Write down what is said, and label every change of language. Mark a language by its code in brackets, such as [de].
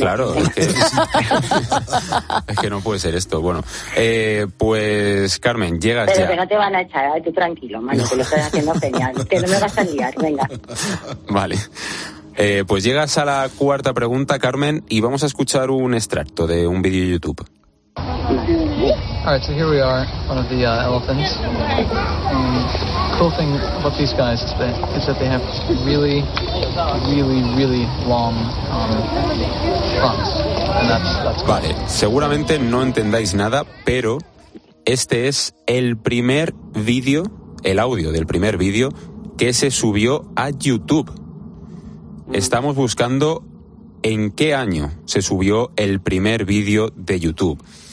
[es] Claro, es que no puede ser esto. Bueno, pues Carmen, llegas pero ya. Pero que no te van a echar, tú tranquilo, mano, no. Que lo estás haciendo genial. Que no me vas a liar, venga. Vale. Pues llegas a la cuarta pregunta, Carmen, y vamos a escuchar un extracto de un vídeo de YouTube. [en] All right, so here we are, one of the elephants. Cool thing about these guys is that they have really, really, really long trunks. [es] Vale, seguramente no entendáis nada, pero este es el primer vídeo, el audio del primer vídeo que se subió a YouTube. Estamos buscando en qué año se subió el primer vídeo de YouTube.